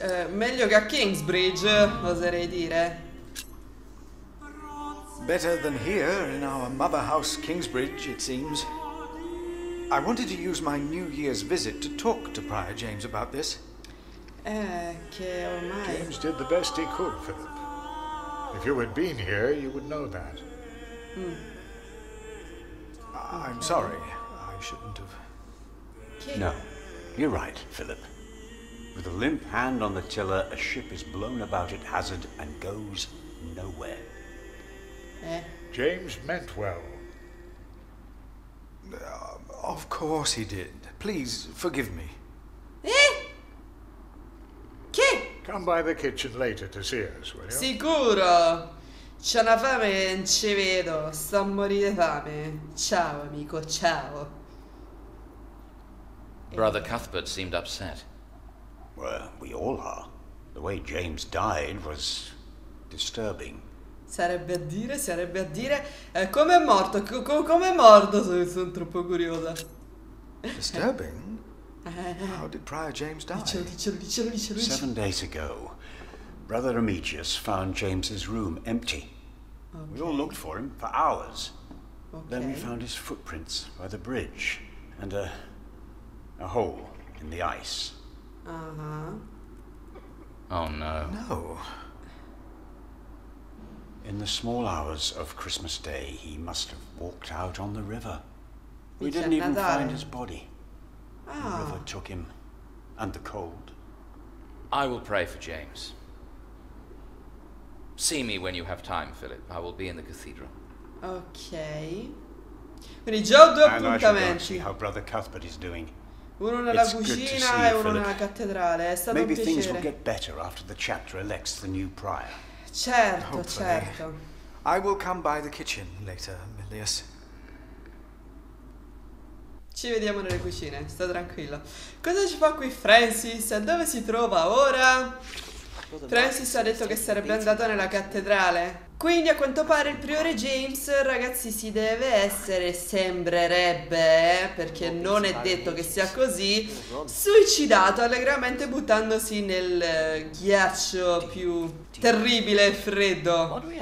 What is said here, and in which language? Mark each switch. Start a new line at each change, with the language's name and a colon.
Italian: Meglio che a Kingsbridge, oserei dire.
English: Better than here in our mother house, Kingsbridge, it seems. I wanted to use my New Year's visit to talk to Prior James about this.
Italian: Che ormai.
English: James did the best he could, Philip. If you had been here, you would know that. Mm. I'm sorry. I shouldn't have. No. You're right, Philip. With a limp hand on the tiller, a ship is blown about at hazard and goes nowhere. James meant well. Of course he did. Please forgive me.
Italian: Che?
English: Come by the kitchen later to see us, will you?
Italian: Sicuro! C'è una fame e non ci vedo, sto a morire fame. Ciao amico, ciao.
English: Brother Cuthbert seemed upset. Well, we all are. The way James died was disturbing.
Italian: Sarebbe a dire, come è morto, come è morto, sono troppo curiosa.
English: Disturbing? How did Prior James die?
Italian: Dicelo.
English: 7 days ago, Brother Remigius found James's room empty. Okay. We all looked for him for hours. Okay. Then we found his footprints by the bridge and a hole in the ice. Uh-huh. Oh, no. No. In the small hours of Christmas Day, he must have walked out on the river. We didn't even find his body. Oh. The river took him, and the cold. I will pray for James. See me when you have time, Philip. I will be in the cathedral. Okay.
Italian: Quindi già ho due appuntamenti.
English: I see how Brother Cuthbert is doing.
Italian: Uno nella cucina e uno nella cattedrale. È stato
English: Maybe
Italian: un piacere.
English: Things will get better after the chapter elects the new prior.
Italian: Certo,
English: Hopefully.
Italian: Certo.
English: I will come by the kitchen later, Milius.
Italian: Ci vediamo nelle cucine, sta tranquillo. Cosa ci fa qui Francis? Dove si trova ora? Francis ha detto che sarebbe andato nella cattedrale. Quindi a quanto pare il priore James, ragazzi, si deve essere, sembrerebbe, perché non è detto che sia così, suicidato allegramente buttandosi nel ghiaccio più terribile e freddo.